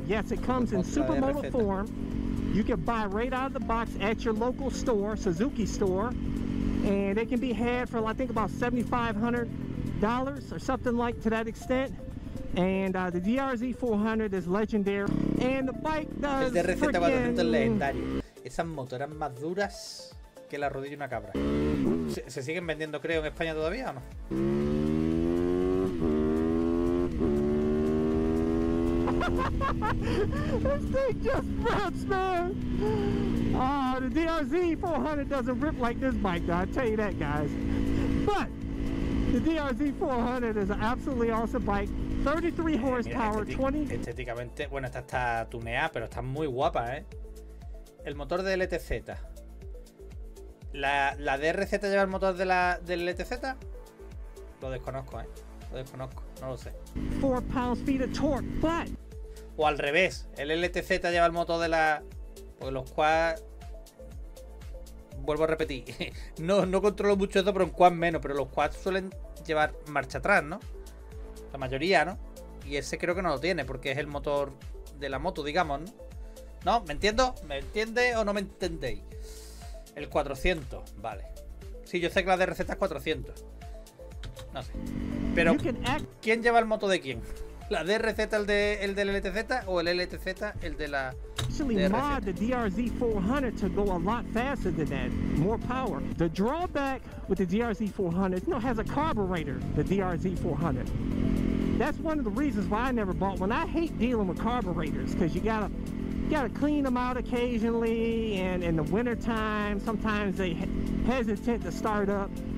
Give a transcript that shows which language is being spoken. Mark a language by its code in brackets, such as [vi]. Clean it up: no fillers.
[en] Yes, it comes in Supermoto form. You can buy right out of the box at your local store, Suzuki store. And it can be had for, I think, about $7,500 or something like to that extent. And the DRZ 400 is legendary, and the bike does. [es] El DRZ 400 es legendario. Esas motos eran más duras que la rodilla de una cabra. ¿Se siguen vendiendo, creo, en España todavía o no? [en] This thing just rips, man. The DRZ 400 doesn't rip like this bike, though. I tell you that, guys. But the DRZ 400 is an absolutely awesome bike. 33 horsepower, [es] mira, 20. Estéticamente, bueno, esta está tuneada, pero está muy guapa, El motor del ETZ. ¿La DRZ lleva el motor del ETZ? Lo desconozco, Lo desconozco, no lo sé. [en] 4 pounds feet of torque, but. [es] O al revés, el LTZ lleva el motor de la. Pues los quad. Vuelvo a repetir. No controlo mucho esto, pero en quad menos. Pero los quad suelen llevar marcha atrás, ¿no? La mayoría, ¿no? Y ese creo que no lo tiene, porque es el motor de la moto, digamos, ¿no? ¿No? ¿Me entiendo? ¿Me entiende o no me entendéis? El 400, vale. Sí, yo sé que la DRZ es 400. No sé. Pero, ¿quién lleva el moto de quién? ¿La DRZ el del LTZ o el LTZ el de la [en] DRZ 400 to go a lot faster than that, more power. The drawback with the DRZ 400, you know, has a carburetor, the DRZ 400. That's one of the reasons why I never bought one. I hate dealing with carburetors because you gotta clean them out occasionally, and in the winter time sometimes they hesitate to start up.